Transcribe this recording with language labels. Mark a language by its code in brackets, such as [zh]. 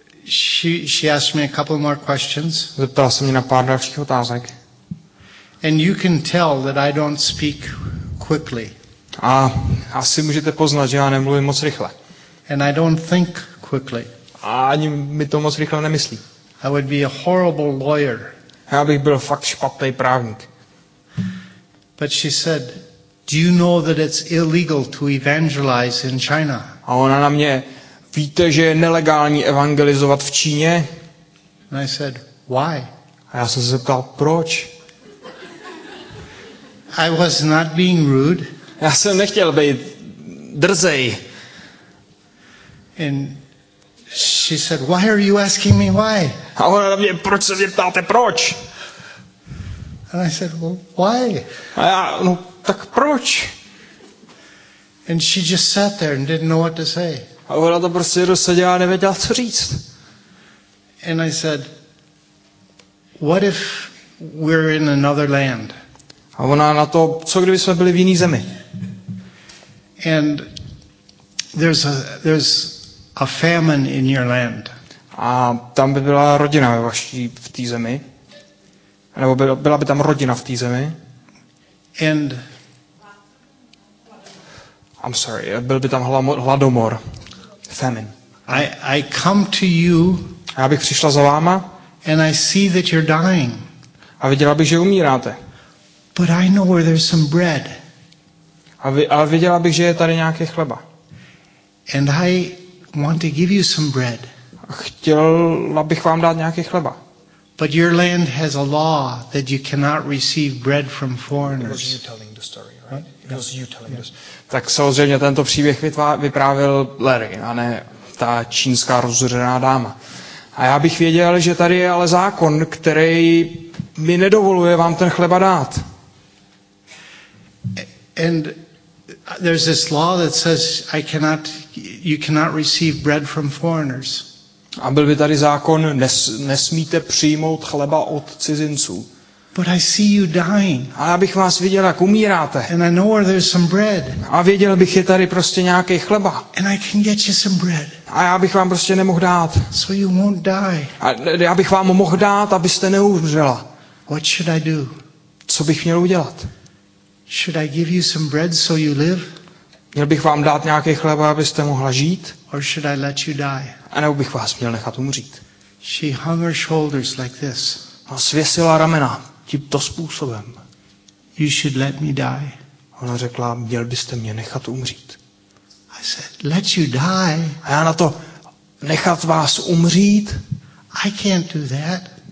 [en] She asked me a couple more questions. [cs] Zeptala se mě na pár dalších otázek. [en] And you can tell that I don't speak quickly. [cs] A asi můžete poznat, že já nemluvím moc rychle. [en] And I don't think quickly. [cs] A ani mi to moc rychle nemyslí. [en] I would be a horrible lawyer. [cs] Já bych byl fakt špatný právník. [en] But she said, do you know that it's illegal to evangelize in China? [cs] A ona na mě, víte, že je nelegální evangelizovat v Číně? [en] And I said, why? [cs] A já jsem se zeptal, proč? [en] I was not being rude. [cs] Já jsem nechtěl být drzej. [en] And she said, why are you asking me why? [cs] A ona na mě, proč se mě ptáte, proč? [en] And I said, well, why? [cs] A já, no, tak proč? [en] And she just sat there and didn't know what to say. [cs] A ona to prostě dosaděla a nevěděla, co říct. [en] And I said, what if we're in another land? [cs] A ona na to, co kdyby jsme byli v jiný zemi? [en] And there's a famine in your land. [cs] A tam by byla rodina vaší v té zemi. Nebo byla by tam rodina v té zemi. [en] And I'm sorry, [cs] byl by tam hladomor. Famine. [en] I come to you. [cs] Já bych přišla za váma. [en] And I see that you're dying. [cs] A viděla bych, že umíráte. [en] But I know where there's some bread. [cs] A viděla bych, že je tady nějaký chleba. [en] And I want to give you some bread. [cs] Chtěla bych vám dát nějaký chleba. [en] But your land has a law that you cannot receive bread from foreigners. It was you telling the story, right? It was you telling us. [cs] Tak samozřejmě tento příběh vyprávěl Larry, a ne ta čínská rozhořená dáma. A já bych věděl, že tady je ale zákon, který mi nedovoluje vám ten chleba dát. [en] And there's this law that says I cannot, you cannot receive bread from foreigners. [cs] A byl by tady zákon, nesmíte přijmout chleba od cizinců. [en] But I see you dying. [cs] A já bych vás viděl, jak umíráte. [en] And I know where there's some bread. [cs] A věděl bych, je tady prostě nějaký chleba. [en] And I can get you some bread. [cs] A já bych vám prostě nemohl dát. [en] So you won't die. [cs] A já bych vám mohl dát, abyste neumřela. [en] What should I do? [cs] Co bych měl udělat? [en] Should I give you some bread so you live? [cs] Měl bych vám dát nějaký chleba, abyste mohla žít? [en] Or should I let you die? [cs] A nebo bych vás měl nechat umřít? [en] She hung her shoulders like this. [cs] A svěsila ramena tímto způsobem. [en] You should let me die. [cs] Ona řekla, měl byste mě nechat umřít. [en] I said, let you die. [cs] A já na to, nechat vás umřít? [en] I can't do that.